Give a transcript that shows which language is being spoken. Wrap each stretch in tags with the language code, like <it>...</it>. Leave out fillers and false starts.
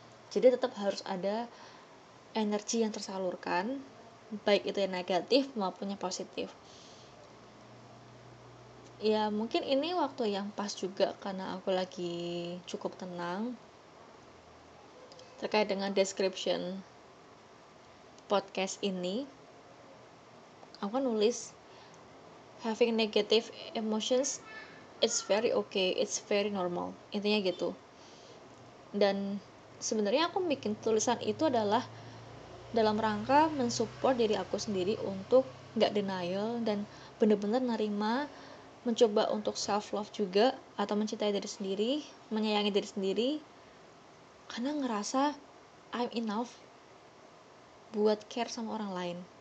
<id>Jadi tetap harus ada energi yang tersalurkan, baik itu yang negatif maupun yang positif. Ya mungkin ini waktu yang pas juga karena aku lagi cukup tenang terkait dengan description podcast ini. Aku kan nulis</id> <en>having negative emotions it's very okay, it's very normal,</en> <id>intinya gitu. Dan sebenarnya aku bikin tulisan itu adalah dalam rangka mensupport diri aku sendiri untuk gak denial dan benar-benar nerima, mencoba untuk self love juga atau mencintai diri sendiri, menyayangi diri sendiri, karena ngerasa</id> <en>I'm enough</en> <id>buat care sama orang lain.</id>